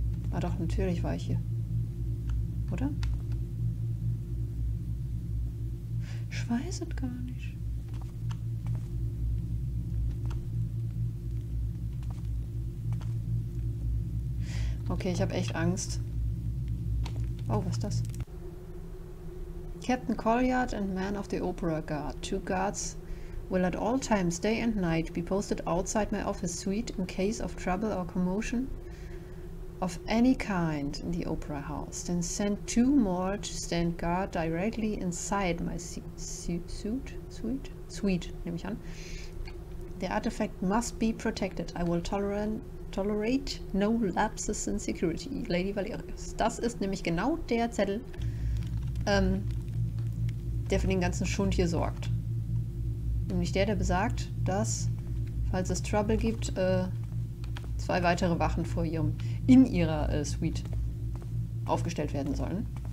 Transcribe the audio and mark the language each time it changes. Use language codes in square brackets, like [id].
[de] Ah doch, natürlich war ich hier. Oder? Ich weiß es gar nicht. Okay, ich habe echt Angst. Oh, was ist das? [en] Captain Colyard and man of the Opera Guard. Two guards will at all times, day and night, be posted outside my office suite in case of trouble or commotion of any kind in the Opera House. Then send two more to stand guard directly inside my suite, [de] nehme ich an. [en] The artifact must be protected. I will tolerate no lapses in security, Lady Valerius. [de] Das ist nämlich genau der Zettel, der für den ganzen Schund hier sorgt. Nämlich der, der besagt, dass, falls es Trouble gibt, zwei weitere Wachen vor ihrem, in ihrer Suite aufgestellt werden sollen.